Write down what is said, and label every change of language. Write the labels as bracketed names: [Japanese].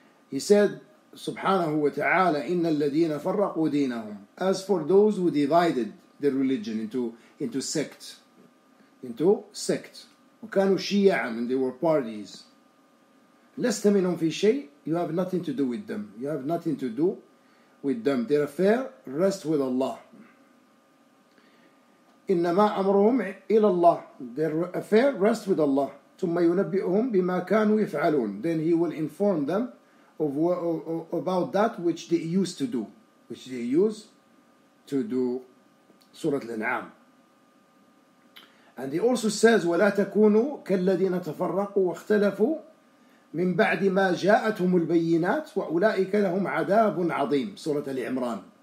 [English] He said, [Arabic] سبحانه وتعالى, إن الذين فرقوا دينهم. [English] As for those who divided their religion into sect, [Arabic] وكانوا شيعا, [English] and they were parties. [Arabic] لست منهم في شيء. [English] You have nothing to do with them. You have nothing to do with them. Their affair rests with Allah. [Arabic] إنما أمرهم إلى الله. [English] Their affair rests with Allah. [Arabic] ثم ينبئهم بما كانوا يفعلون. [English] Then he will inform them of about that which they used to do. Which they used to do. Surah Al-An'am. And he also says, [Arabic] وَلَا تَكُونُوا كَالَّذِينَ تَفَرَّقُوا وَاخْتَلَفُوا مِنْ بَعْدِ مَا جَاءَتْهُمُ الْبَيِّنَاتُ وَأُولَٰئِكَ لَهُمْ عَذَابٌ عَظِيمٌ سورة الإمران.